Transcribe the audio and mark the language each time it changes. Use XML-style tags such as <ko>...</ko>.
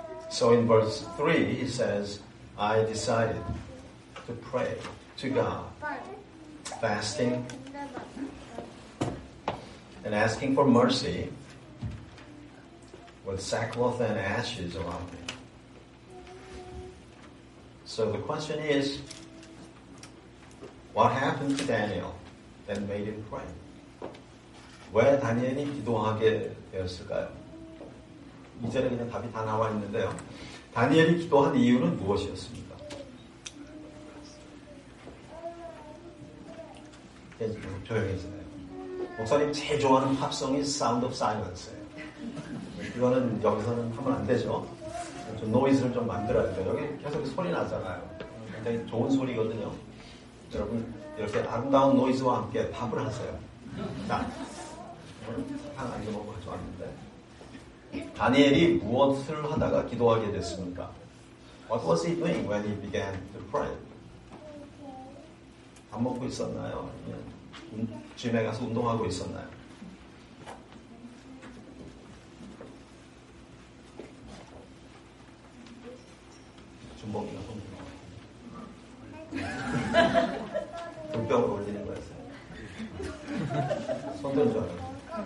<en>So in verse 3, he says, I decided to pray to God, fasting and asking for mercy with sackcloth and ashes around me. So the question is, what happened to Daniel that made him pray?</en> <ko>왜 다니엘이 기도하게 되었을까요? 이제는 그냥 답이 다 나와 있는데요. 다니엘이 기도한 이유는 무엇이었습니까? 조용해지네요. 목사님 제일 좋아하는 팝송이 Sound of Silence예요. 이거는 여기서는 하면 안 되죠. 좀 노이즈를 좀 만들어야 돼요. 여기 계속 소리 나잖아요. 굉장히 좋은 소리거든요. 여러분 이렇게 아름다운 노이즈와 함께 밥을 하세요. 자, 사탕 안 먹고 가져왔는데 다니엘이 무엇을 하다가 기도하게 됐습니까?</ko> <en>What was he doing when he began to pray?</en> <ko>밥 먹고 있었나요? 짐에 가서 운동하고 있었나요? 주먹이나 손주먹 불병을 올리는 거였어요. 손들은 줄 알았어요.</ko>